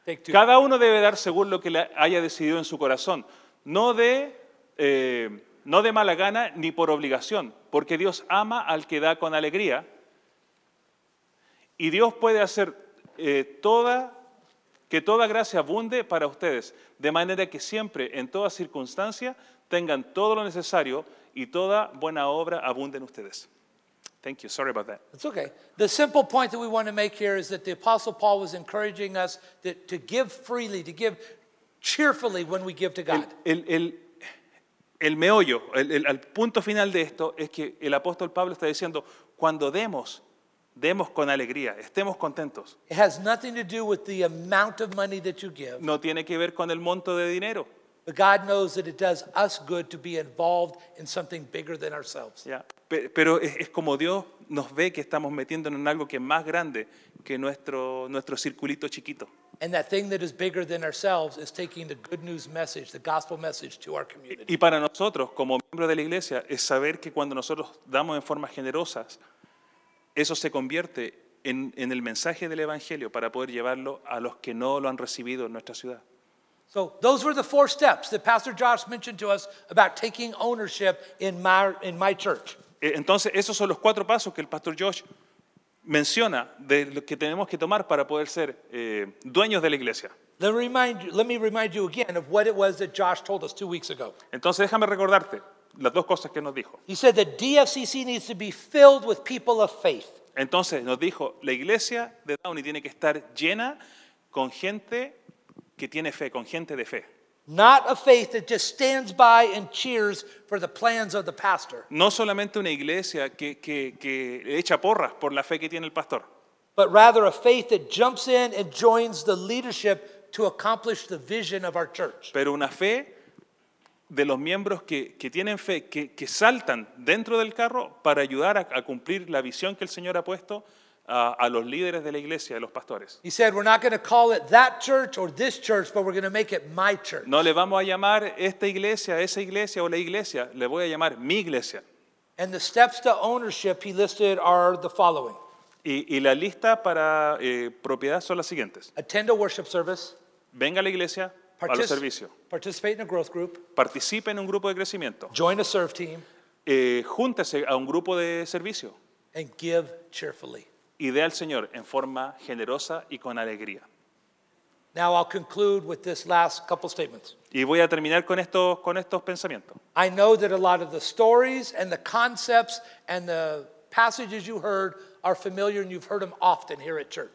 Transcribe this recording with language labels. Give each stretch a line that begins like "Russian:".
Spanish: Cada uno debe dar según lo que haya decidido en su corazón, no de mala gana ni por obligación, porque Dios ama al que da con alegría y Dios puede hacer toda gracia abunde para ustedes, de manera que siempre, en toda circunstancia, tengan todo lo necesario y toda buena obra abunde en ustedes.
English: Thank you. Sorry about that. It's okay. The simple point that we want to make here is that the Apostle Paul was encouraging us to give freely, to give cheerfully when we give to God.
Spanish: El meollo, el punto final de esto es que el apóstol Pablo está diciendo, cuando demos, demos con alegría, estemos contentos.
English: It has nothing to do with the amount of money that you give.
Spanish: No tiene que ver con el monto de dinero.
English: But God knows that it does us good to be involved in something bigger than ourselves. Yeah.
Spanish: Pero es como Dios nos ve que estamos metiéndonos en algo que es más grande que nuestro circulito chiquito.
English: And that thing that is bigger than ourselves is taking the good news message, the gospel message to our community.
Spanish: Y para nosotros, como miembros de la iglesia, es saber que cuando nosotros damos en formas generosas, eso se convierte en el mensaje del evangelio para poder llevarlo a los que no lo han recibido en nuestra ciudad.
English: So those were the four steps that Pastor Josh mentioned to us about taking ownership in my church.
Spanish: Entonces, esos son los cuatro pasos que el Pastor Josh menciona de lo que tenemos que tomar para poder ser dueños de la iglesia.
English: Let me remind you again of what it was that Josh told us 2 weeks ago.
Spanish: Entonces, déjame recordarte las dos cosas que nos dijo.
English: He said that DFCC needs to be filled with people of faith.
Spanish: Entonces, nos dijo, la iglesia de Downey tiene que estar llena con gente que tiene fe, con gente de fe.
English: Not a faith that just stands by and cheers for the plans of the pastor.
Spanish: No solamente una iglesia que echa porras por la fe que tiene el pastor.
English: But rather a faith that jumps in and joins the leadership to accomplish the vision of our church.
Spanish: Pero una fe de los miembros que tienen fe, que saltan dentro del carro para ayudar a cumplir la visión que el Señor ha puesto a los líderes de la iglesia, a los pastores.
English: He said, we're not going to call it that church or this church, but we're going to make it my church.
Spanish: No le vamos a llamar esta iglesia, esa iglesia o la iglesia, le voy a llamar mi iglesia.
English: And the steps to ownership he listed are the following.
Spanish: Y la lista para propiedad son las siguientes.
English: Attend a worship service.
Spanish: Venga a la iglesia, a los servicios.
English: Participate in a growth group.
Spanish: Participe en un grupo de crecimiento.
English: Join a serve team.
Spanish: Júntese a un grupo de servicio.
English: And give cheerfully.
Spanish: Y dé al Señor en forma generosa y con alegría.
English: Now I'll conclude with this last couple statements.
Spanish: Y voy a terminar con estos pensamientos.
English: I know that a lot of the stories and the concepts and the passages you heard are familiar and you've heard them often here at church.